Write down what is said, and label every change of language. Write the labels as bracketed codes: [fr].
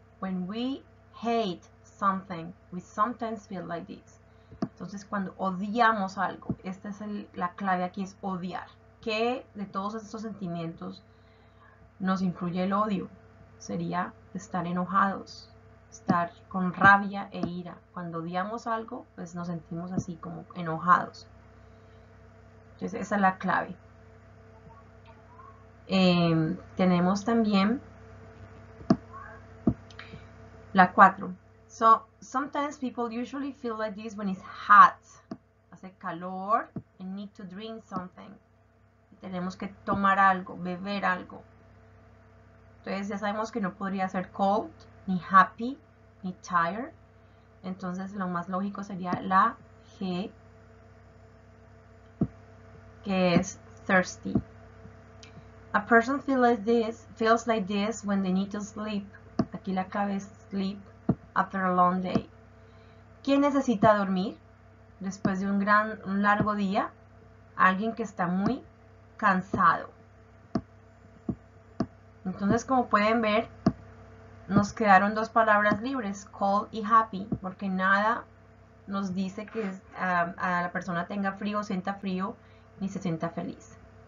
[en] When we hate something, we sometimes feel like this. [es] Entonces, cuando odiamos algo, esta es la clave aquí, es odiar. ¿Qué de todos estos sentimientos nos incluye el odio? Sería estar enojados, estar con rabia e ira. Cuando odiamos algo, pues nos sentimos así como enojados. Entonces, esa es la clave. Tenemos también la 4. [en] So, sometimes people usually feel like this when it's hot. [es] Hace calor [en] and need to drink something. [es] Tenemos que tomar algo, beber algo. Entonces ya sabemos que no podría ser cold, ni happy, ni tired. Entonces lo más lógico sería la G, que es thirsty. [en] A person feels like this when they need to sleep. [es] Aquí la clave es sleep. [en] After a long day. [es] ¿Quién necesita dormir después de un largo día? Alguien que está muy cansado. Entonces, como pueden ver, nos quedaron dos palabras libres, cold y happy, porque nada nos dice que a la persona tenga frío, sienta frío, ni se sienta feliz.